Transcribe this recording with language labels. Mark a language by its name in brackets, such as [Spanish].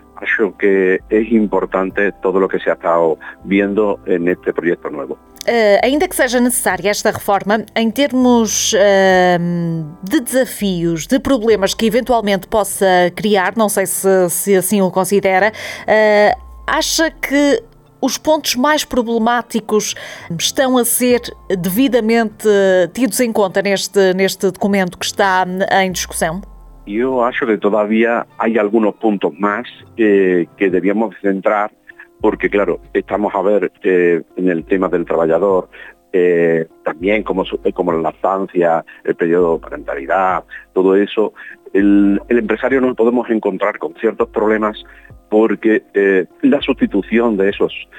[Spanish] Acho que es importante todo lo que se ha estado viendo en este proyecto nuevo. [Portuguese] Ainda que seja necessária esta reforma, em termos de desafios, de problemas que eventualmente possa criar, não sei se assim o considera, acha que os pontos mais problemáticos estão a ser devidamente tidos em conta neste documento que está em discussão? Eu acho que [Spanish] todavía [Portuguese] há alguns pontos mais que devíamos centrar. [Spanish] Porque claro, estamos a ver en el tema del trabajador, también como la lactancia, el periodo de parentalidad, todo eso, el empresario nos podemos encontrar con ciertos problemas porque la sustitución de esos